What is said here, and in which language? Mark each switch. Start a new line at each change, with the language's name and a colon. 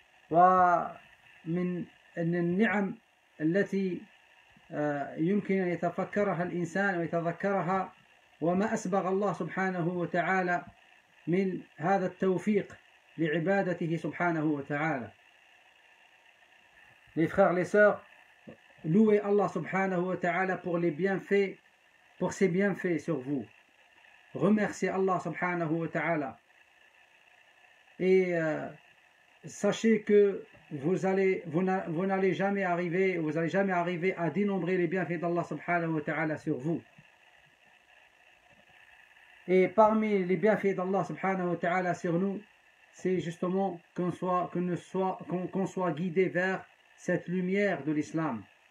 Arabic: ومن النعم التي يمكن أن يتفكرها الإنسان ويتذكرها، وما أسبغ الله سبحانه وتعالى من هذا التوفيق لعبادته سبحانه وتعالى.
French: Les frères, les sœurs, louez Allah سبحانه وتعالى pour les bienfaits, pour ses bienfaits sur vous. Remerciez Allah سبحانه وتعالى. Et sachez que vous n'allez jamais arriver à dénombrer les bienfaits d'Allah سبحانه وتعالى sur vous. Et parmi les bienfaits d'Allah subhanahu wa ta'ala sur nous, c'est justement qu'on soit guidé vers cette lumière de l'islam.